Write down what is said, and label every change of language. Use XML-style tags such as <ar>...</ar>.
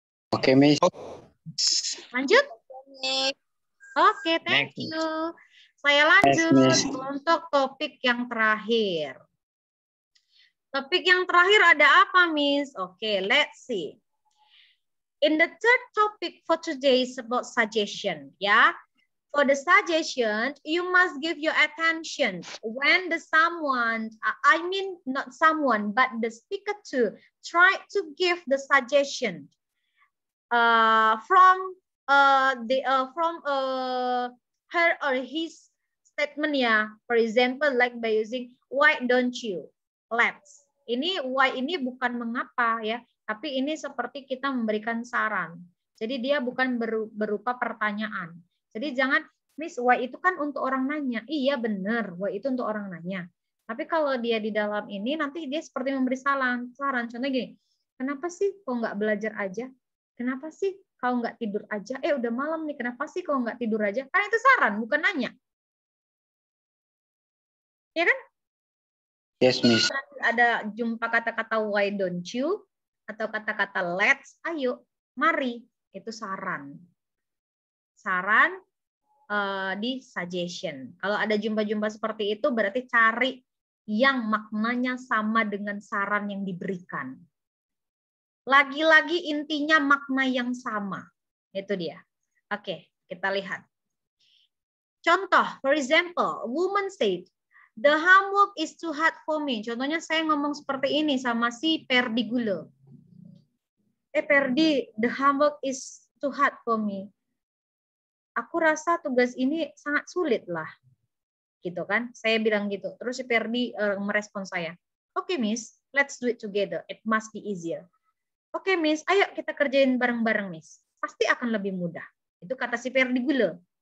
<id>Oke, Miss. Lanjut? Oke,</id> <en>thank you.</en> <id>Saya lanjut untuk topik yang terakhir. Topik yang terakhir ada apa, Miss?</id> <en>Oke, let's see. In the third topic for today is about suggestion, ya. For the suggestion, you must give your attention when the someone, I mean not someone, but the speaker too, try to give the suggestion from her or his statement, yeah. For example, like by using why don't you, let's.</en> <id>Ini why ini bukan mengapa ya, tapi ini seperti kita memberikan saran. Jadi dia bukan berupa pertanyaan. Jadi jangan, Miss, why itu kan untuk orang nanya. Iya, benar. Why itu untuk orang nanya. Tapi kalau dia di dalam ini, nanti dia seperti memberi saran. Contohnya gini, kenapa sih kok nggak belajar aja? Kenapa sih kau nggak tidur aja? Udah malam nih, kenapa sih kau nggak tidur aja? Karena itu saran, bukan nanya. Iya kan?</id> <en>Yes, Miss.</en> <id>Nanti ada jumpa kata-kata</id> <en>why don't you?</en> <id>Atau kata-kata let's, ayo, mari. Itu saran. Saran di suggestion. Kalau ada jumpa-jumpa seperti itu, berarti cari yang maknanya sama dengan saran yang diberikan. Lagi-lagi intinya makna yang sama. Itu dia. Oke, kita lihat. Contoh,</id> <en>for example, a woman said, the homework is too hard for me.</en> <id>Contohnya saya ngomong seperti ini sama si Perdigulo.</id> <en>Ferdi, the homework is too hard for me.</en> <id>Aku rasa tugas ini sangat sulit lah. Gitu kan? Saya bilang gitu. Terus si Ferdi merespon saya.</id> <en>Okay, Miss, let's do it together. It must be easier. Okay, Miss,</en> <id>ayo kita kerjain bareng-bareng, Miss. Pasti akan lebih mudah. Itu kata si Ferdi gula.</id>